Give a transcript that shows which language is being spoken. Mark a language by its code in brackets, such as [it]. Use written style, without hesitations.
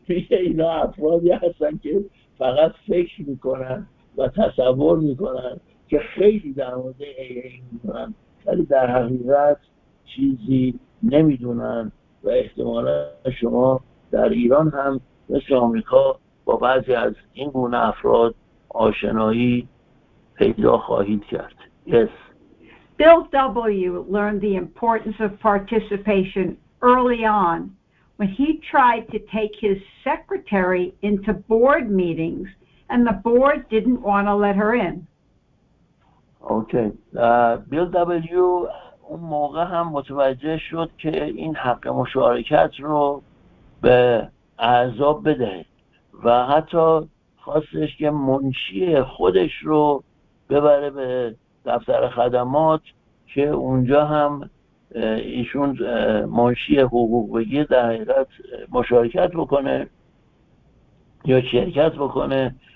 [fa] اینا افرادی هستن که فقط فکر میکنن و تصور میکنن که خیلی در مورد AA میدونن ولی در حقیقت چیزی نمیدونن و احتمالا شما در ایران هم مثل آمریکا با بعضی از این گونه افراد آشنایی پیدا خواهید کرد. Yes. [en] Bill W. learned the importance of participation early on when he tried to take his secretary into board meetings and the board didn't want to let her in. Okay. Bill W. [fa] اون موقع هم متوجه شد که این حق مشارکت رو به اعضا بده و حتی خواستش که منشی خودش رو ببره به دفتر خدمات که اونجا هم ایشون منشی حقوق بگیر در حقیقت مشارکت بکنه یا شرکت بکنه.